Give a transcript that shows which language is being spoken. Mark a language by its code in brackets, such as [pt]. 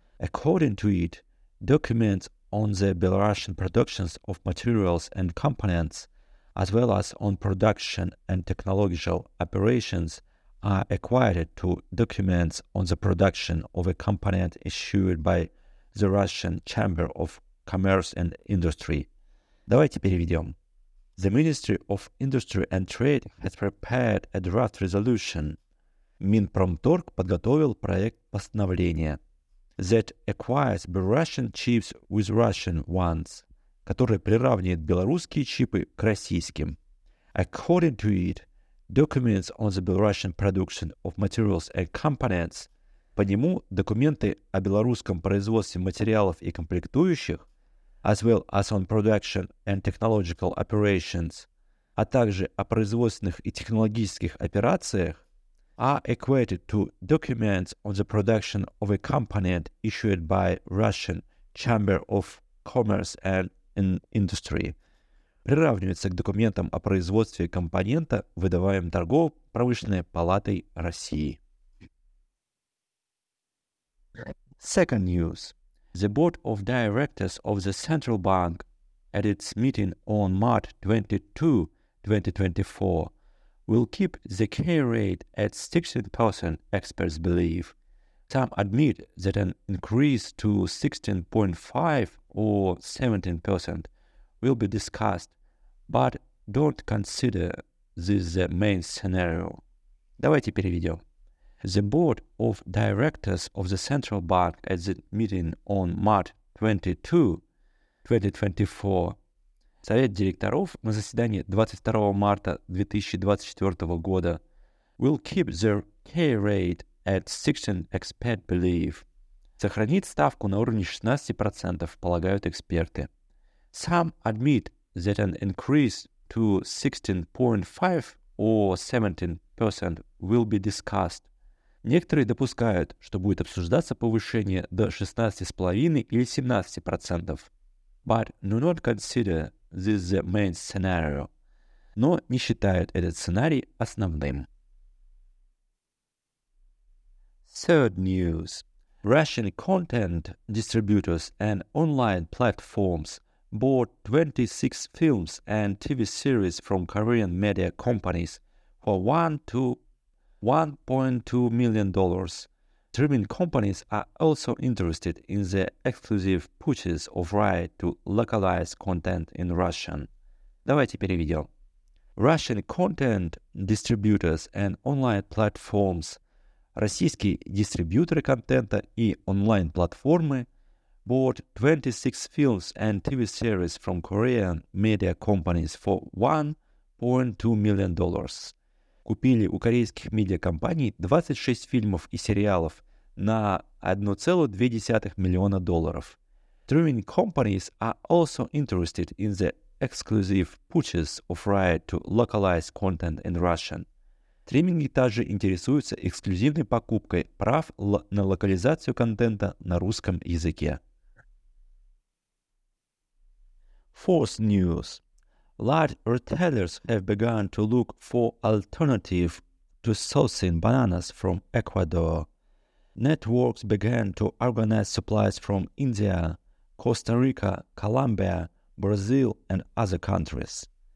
[en] According to it, documents on the Belarusian productions of materials and components, as well as on production and technological operations, are equated to documents on the production of a component issued by the Russian Chamber of Commerce and Industry. [ru] Давайте переведем. [en] The Ministry of Industry and Trade has prepared a draft resolution. [ru] Минпромторг подготовил проект постановления [en] that equates Belarusian chips with Russian ones, [ru] который приравнивает белорусские чипы к российским. [en] According to it, documents on the Belarusian production of materials and components, [ru] по нему документы о белорусском производстве материалов и комплектующих, [en] as well as on production and technological operations, [ru] а также о производственных и технологических операциях, [en] are equated to documents on the production of a component issued by Russian Chamber of Commerce and Industry. [ru] Приравнивается к документам о производстве компонента, выдаваемым торгово-промышленной палатой России. [en] Second news. The Board of Directors of the Central Bank, at its meeting on March 22, 2024, will keep the key rate at 16%, experts believe. Some admit that an increase to 16.5% or 17% will be discussed, but don't consider this the main scenario. [ru] Давайте переведем. [en] The Board of Directors of the Central Bank at the meeting on March 22, 2024. [ru] Совет директоров на заседании 22 марта 2024 года [en] will keep their key rate at 16%, experts believe. [ru] Сохранит ставку на уровне 16%, полагают эксперты. [en] Some admit that an increase to 16.5 or 17% will be discussed. [ru] Некоторые допускают, что будет обсуждаться повышение до 16,5% или 17%. [en] But do not consider this the main scenario. [ru] Но не считают этот сценарий основным. [en] Third news. Russian content distributors and online platforms bought 26 films and TV series from Korean media companies for $1.2 million. Streaming companies are also interested in the exclusive purchase of right to localize content in Russian. [ru] Давайте переведем. [en] Russian content distributors and online platforms. [ru] Российские дистрибьюторы контента и онлайн-платформы [en] bought 26 films and TV series from Korean media companies for $1.2 million. [ru] Купили у корейских медиакомпаний 26 фильмов и сериалов на $1.2 million. [en] Streaming companies are also interested in the exclusive purchase of right to localize content in Russian. [ru] Стриминги также интересуются эксклюзивной покупкой прав на локализацию контента на русском языке. [en] Fourth news. Large retailers have begun to look for alternative to sourcing bananas from Ecuador. Networks began to organize supplies from India, Costa Rica, Colombia, Brazil and other countries.